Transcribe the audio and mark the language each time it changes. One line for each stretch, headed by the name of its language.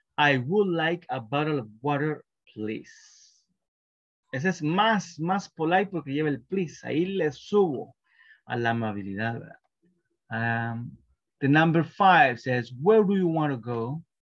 English: I would like a bottle of water, please.
Spanish: Ese es más polite porque lleva el please. Ahí le subo a la amabilidad.
English: The number five says, where do you want to go?